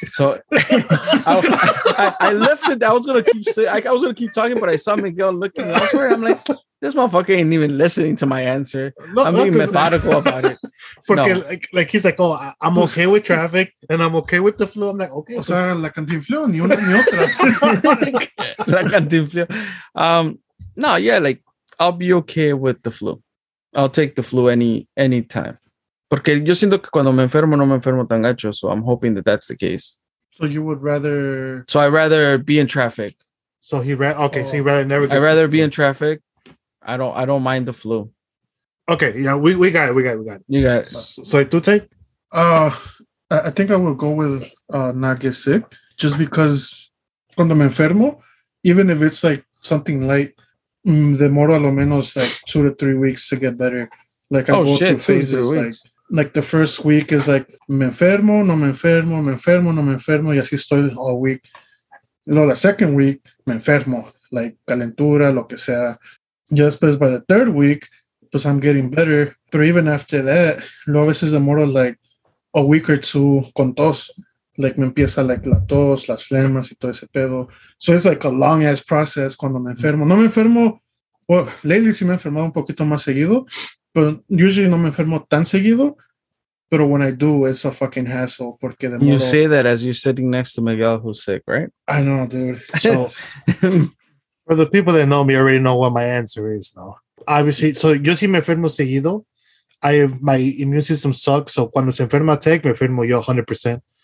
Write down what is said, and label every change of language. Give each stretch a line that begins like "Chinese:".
English: So, I left it. I was going to keep talking, but I saw Miguel looking elsewhere. I'm like, this motherfucker ain't even listening to my answer. No, I'm being methodical about it.
Spanish: Porque, no.
English: like he's like, oh, I'm okay with traffic, and I'm okay with the flu. I'm like, okay.
Spanish: O sea, pues, la cantinflu, ni una ni otra. La cantinflu.
English: No, yeah, like, I'll be okay with the flu. I'll take the flu any time.
Spanish: Porque yo siento que cuando me enfermo, no me enfermo tan gacho.
English: So I'm hoping that that's the case. So you would rather... So I'd rather be in traffic. So he okay, so he'd rather never... I'd rather be in traffic. I don't mind the flu. Okay, yeah, we got it. You got it. So to take? I think I will go with not get sick, just because cuando me enfermo, even if it's like something light,
Spanish: demoro a lo menos like 2 to 3 weeks to get better.
English: Like I go through phases. Like the first week is like me enfermo, no me enfermo, me enfermo, no me enfermo, y así estoy all week.
Spanish: No, the second week me enfermo, like calentura, lo que sea.
English: Just because by the third week, pues I'm getting better. But even after that, lo a veces demoro like a week or two con tos.
Spanish: Like me empieza like la tos, las flemas y todo ese pedo. So it's like a long ass process cuando me enfermo. No me enfermo, well, lately sí me he enfermado un poquito más seguido, but usually no me enfermo tan seguido.
English: But when I do, it's a fucking hassle.
Spanish: Porque demoro.
English: You say that as you're sitting next to Miguel who's sick, right? I know, dude. So for the people that know me already know what my answer is now. Obviously, so yo sí me enfermo seguido. My immune system sucks.
Spanish: So cuando se enferma Tech, me enfermo yo 100%.